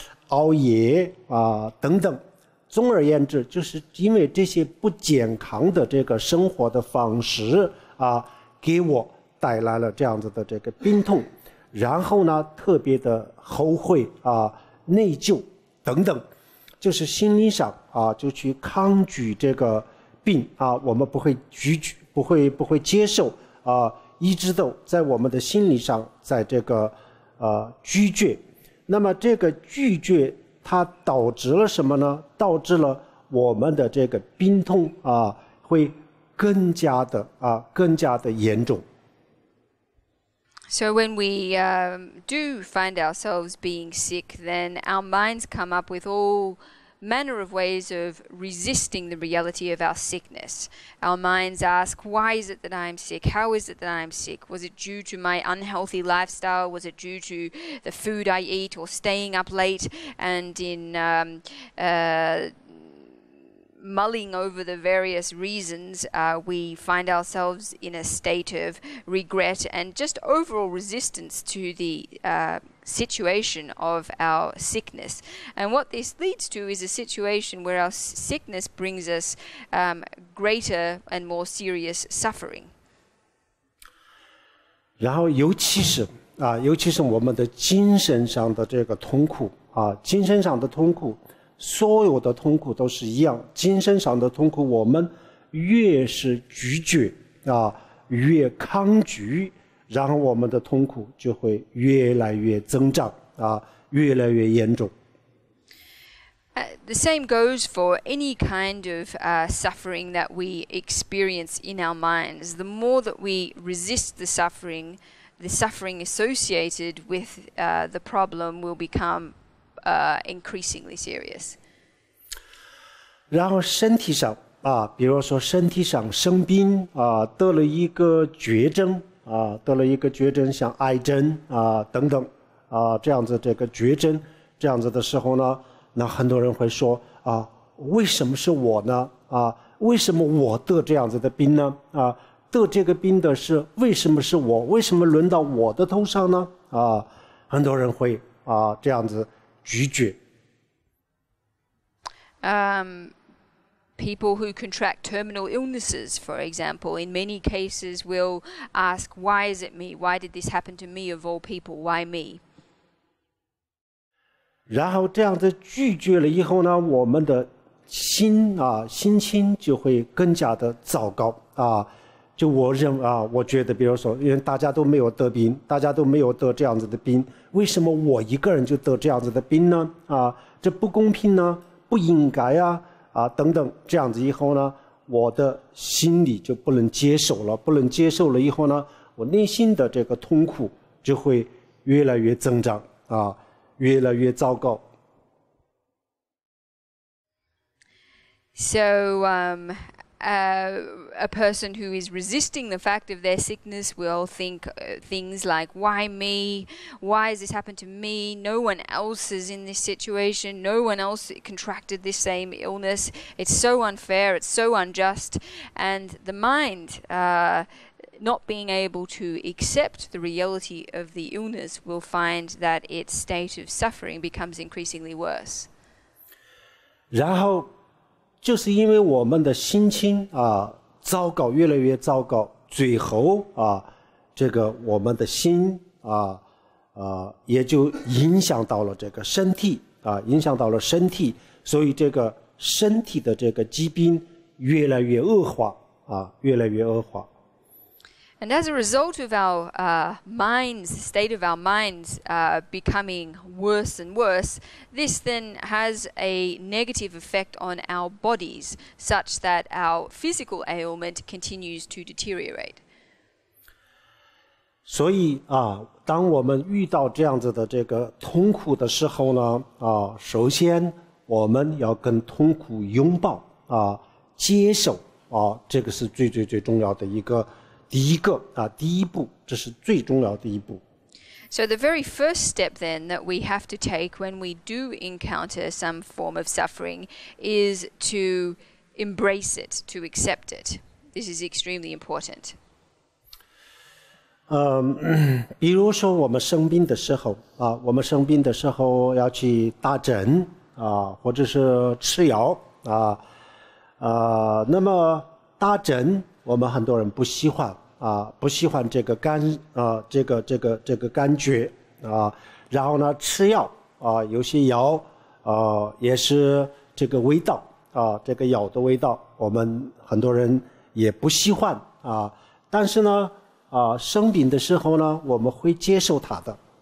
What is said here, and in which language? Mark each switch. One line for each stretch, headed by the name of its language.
Chinese: 熬夜啊，等等，总而言之，就是因为这些不健康的这个生活的方式啊，给我带来了这样子的这个病痛，然后呢，特别的后悔啊，内疚等等，就是心理上啊，就去抗拒这个病啊，我们不会拒绝，不会接受啊，一直都在我们的心理上，在这个拒绝。那么这个拒绝它导致了什么呢？导致了我们的这个病痛啊，会更加的啊，更加的严重。
English: So when we do find ourselves being sick, then our minds come up with all manner of ways of resisting the reality of our sickness. Our minds ask, why is it that I'm sick? How is it that I'm sick? Was it due to my unhealthy lifestyle? Was it due to the food I eat or staying up late and in mulling over the various reasons, we find ourselves in a state of regret and just overall resistance to the situation of our sickness. And what this leads to is a situation where our sickness brings us greater and more serious suffering.
Chinese: 然后尤其是我们的精神上的这个痛苦啊，精神上的痛苦，所有的痛苦都是一样，精神上的痛苦，我们越是拒绝啊，越抗拒，然后我们的痛苦就会越来越增长啊，越来越严重。
English: The same goes for any kind of suffering that we experience in our minds. The more that we resist the suffering associated with the problem will become increasingly serious.
Chinese: 然后身体上啊，比如说身体上生病啊，得了一个绝症。啊，得了一个绝症，像癌症啊等等啊这样子，这个绝症这样子的时候呢，那很多人会说啊，为什么是我呢？啊，为什么我得这样子的病呢？啊，得这个病的是为什么是我？为什么轮到我的头上呢？啊，很多人会啊这样子拒绝。
English: People who contract terminal illnesses, for example, in many cases will ask, why is it me? Why did this happen to me of all people? Why me?
Chinese: 然后这样子拒绝了以后呢，我们的心啊，心情就会更加的糟糕啊，就我认为啊，我觉得比如说因为大家都没有得病，大家都没有得这样子的病，为什么我一个人就得这样子的病呢？啊，这不公平呢，不应该啊，啊等等，这样子以后呢，我的心里就不能接受了，不能接受了以后呢，我内心的这个痛苦就会越来越增长啊，越来越糟糕。
English: So, a person who is resisting the fact of their sickness will think things like, why me? Why has this happened to me? No one else is in this situation. No one else contracted this same illness. It's so unfair. It's so unjust. And the mind, not being able to accept the reality of the illness, will find that its state of suffering becomes increasingly worse.
Chinese: 然后就是因为我们的心情啊糟糕，越来越糟糕，最后啊，这个我们的心啊啊也就影响到了这个身体啊，影响到了身体，所以这个身体的这个疾病越来越恶化啊，越来越恶化。
English: And as a result of our minds, the state of our minds becoming worse and worse, this then has a negative effect on our bodies, such that our physical ailment continues to deteriorate.
Chinese: 所以啊，当我们遇到这样子的这个痛苦的时候呢，啊，首先我们要跟痛苦拥抱啊，接受啊，这个是最最最重要的一个。第一个啊，第一步，这是最重要的一步。
English: So the very first step then that we have to take when we do encounter some form of suffering is to embrace it, to accept it. This is extremely important.
Chinese: 比如说我们生病的时候啊，我们生病的时候要去打针啊，或者是吃药啊，那么打针我们很多人不喜欢。啊，不喜欢这个感啊，这个感觉啊，然后呢，吃药啊，有些药啊，也是这个味道啊，这个药的味道，我们很多人也不喜欢啊，但是呢，啊，生病的时候呢，我们会接受它的。